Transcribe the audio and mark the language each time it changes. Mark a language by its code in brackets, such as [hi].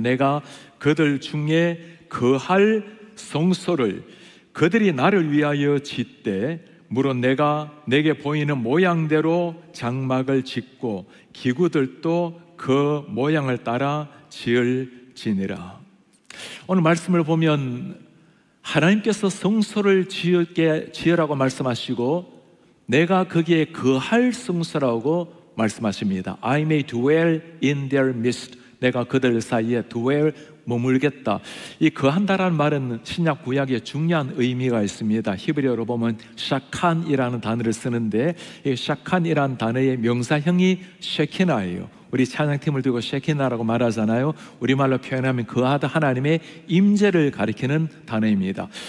[ko] 내가 그들 중에 거할 성소를 그들이 나를 위하여 짓되 물론 내가 내게 보이는 모양대로 장막을 짓고 기구들도 그 모양을 따라 지을지니라. 오늘 말씀을 보면 하나님께서 성소를 지으라고 말씀하시고 내가 거기에 거할 성소라고 말씀하십니다. [en] I may dwell in their midst. [ko] 내가 그들 사이에 dwell 머물겠다. 이 거한다라는 말은 신약 구약에 중요한 의미가 있습니다. 히브리어로 보면 샤칸이라는 단어를 쓰는데 이 샤칸이라는 단어의 명사형이 쉐키나예요. 우리 찬양팀을 두고 쉐키나라고 말하잖아요. 우리말로 표현하면 거하다 하나님의 임재를 가리키는 단어입니다.